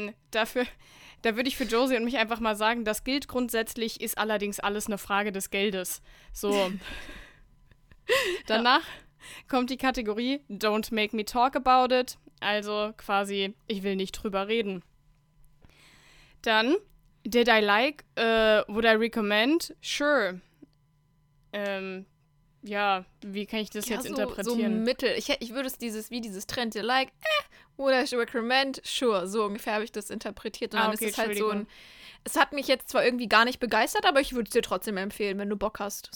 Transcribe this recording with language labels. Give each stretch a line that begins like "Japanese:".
German: Da würde ich für Josie und mich einfach mal sagen, das gilt grundsätzlich, ist allerdings alles eine Frage des Geldes. So. Danach kommt die Kategorie
English: Don't make me talk about it.
German: Also quasi, ich will nicht drüber reden.
English: Dann, did I like, would I recommend? Sure.
German: Ja, wie kann ich das jetzt interpretieren? So mittel. Ich würde es dieses Trend,
English: did I like, would I recommend?
German: Sure, so ungefähr habe ich das interpretiert. Und dann ist es halt so ein, es hat mich jetzt zwar irgendwie gar nicht begeistert, aber ich würde es dir trotzdem empfehlen, wenn du Bock hast.